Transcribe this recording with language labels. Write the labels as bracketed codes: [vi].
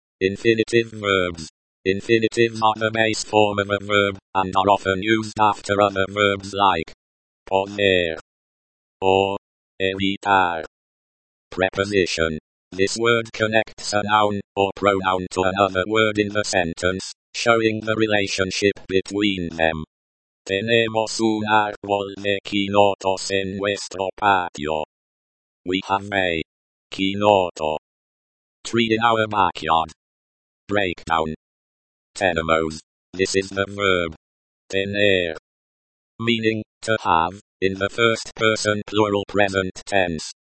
[en] Infinitive verbs. Infinitives are the base form of a verb and are often used after other verbs like poner or evitar. Preposition. This word connects a noun or pronoun to another word in the sentence, showing the relationship between them. [es] Tenemos un árbol de quinotos en nuestro patio. [en] We have a quinoto tree in our backyard. Breakdown. Tenemos. This is the verb tener, meaning to have, in the first person plural present tense.